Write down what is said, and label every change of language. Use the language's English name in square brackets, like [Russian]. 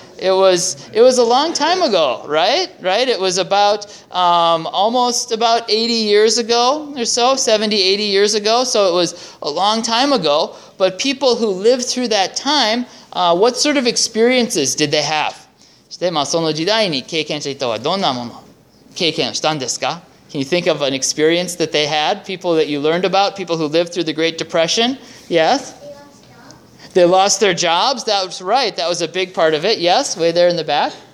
[English] It was a long time ago, right? It was about almost about 80 years ago or so, 70, 80 years ago. So it was a long time ago. But people who lived through that time, what sort of experiences did they have? [Japanese] そして、まあ、その時代に経験した人はどんなもの経験をしたんですか? [English] Can you think of an experience that they had? People that you learned about, people who lived through the Great Depression? Yes? They lost their jobs. That was right. That was a big part of it. Yes, way there in the back.